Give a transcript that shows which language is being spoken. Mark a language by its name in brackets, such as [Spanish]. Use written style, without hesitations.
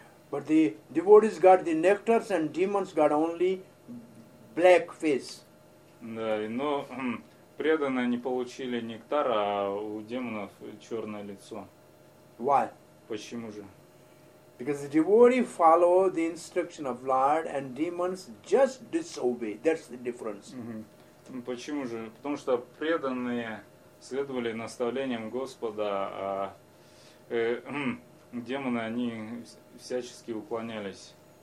[English] But the devotees got the nectars and demons got only black face. [Russian] Да, но преданные не получили нектар, а у демонов черное лицо. [English] Why? [Russian] Почему же? [English] Because the devotee follow the instruction of Lord and demons just disobey. That's the difference. [Russian] Почему же? Потому что преданные следовали наставлениям Господа, а демоны они всячески уклонялись.